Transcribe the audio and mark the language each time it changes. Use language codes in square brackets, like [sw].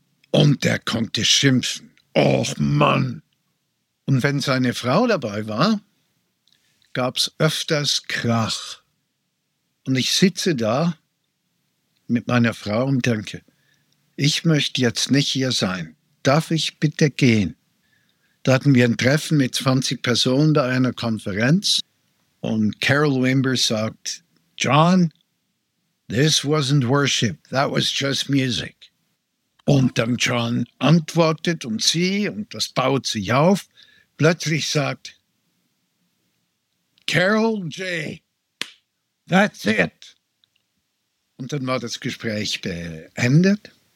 [de] Und der konnte schimpfen. Och Mann! Und wenn seine Frau dabei war, gab es öfters Krach. Und ich sitze da mit meiner Frau und denke, ich möchte jetzt nicht hier sein. Darf ich bitte gehen? Da hatten wir ein Treffen mit 20 Personen bei einer Konferenz. Und Carol Wimber sagt, [en] John, this wasn't worship, that was just music. [de] Und dann John antwortet und sie, und das baut sich auf. Plötzlich sagt, Carol J., [en] that's it. [de] Und dann war das Gespräch beendet.